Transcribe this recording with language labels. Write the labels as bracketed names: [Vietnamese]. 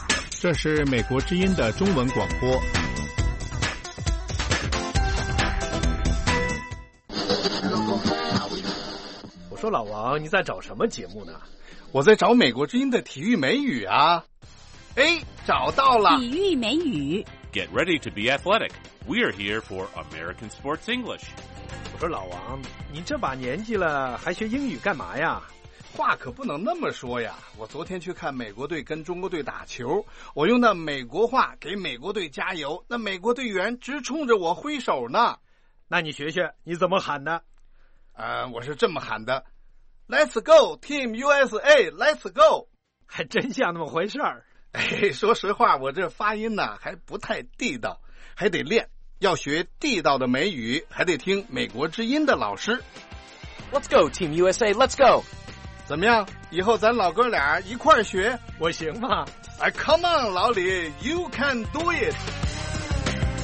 [Chinese] 这是美国之音的中文广播。说老王，你在找什么节目呢？我在找美国之音的体育美语啊。哎，找到了，体育美语。 [English] Get ready to be athletic. We are here for American Sports English. [Chinese] 我说老王，你这把年纪了还学英语干嘛呀？话可不能那么说呀，我昨天去看美国队跟中国队打球，我用那美国话给美国队加油，那美国队员直冲着我挥手呢。那你学学你怎么喊的。我是这么喊的 [English] ，Let's go, Team USA, Let's go， [Chinese] 还真像那么回事儿。哎，说实话，我这发音呢还不太地道，还得练。要学地道的美语，还得听美国之音的老师。 [English] Let's go, Team USA, Let's go。 [Chinese] 怎么样？以后咱老哥俩一块儿学，我行吗？ [English] 哎 ，Come on， 老李 ，You can do it。